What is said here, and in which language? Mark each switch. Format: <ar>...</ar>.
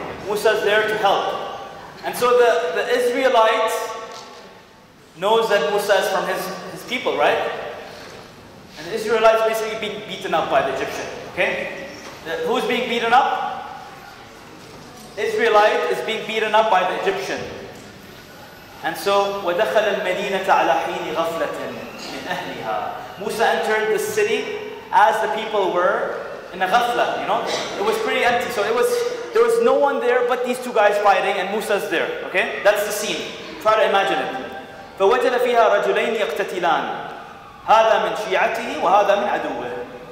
<en>Musa's there to help. And so the Israelites knows that Musa is from his people, right? And the Israelites basically being beaten up by the Egyptian, okay? Who's being beaten up? Israelite is being beaten up by the Egyptian. And so,</en> <ar>وَدَخَلَ الْمَدِينَةَ عَلَى حِينِ غَفْلَةٍ مِنْ أَهْلِهَا.</ar> <en>Musa entered the city as the people were in a ghafla, you know? It was pretty empty, so there was no one there but these two guys fighting and Musa's there, okay? That's the scene. Try to imagine it.</en> <ar>فَوَجَدَ فِيهَا رَجُلَيْنِ يَقْتَتِلَانِ هَذَا مِنْ شِيَعَتِهِ وَهَذَا مِنْ عَدُوِهِ.</ar>